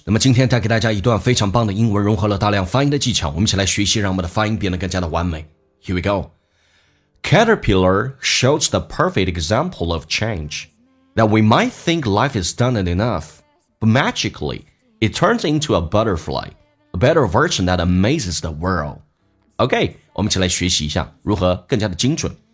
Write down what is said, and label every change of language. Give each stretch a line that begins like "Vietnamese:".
Chinese: 那么今天带给大家一段非常棒的英文，融合了大量发音的技巧，我们一起来学习，让我们的发音变得更加的完美。
English: Here we go. Caterpillar shows the perfect example of change, that we might think life is done and enough, but magically, it turns into a butterfly, a better version that amazes the world.
Chinese: OK, 我们一起来学习一下如何更加的精准。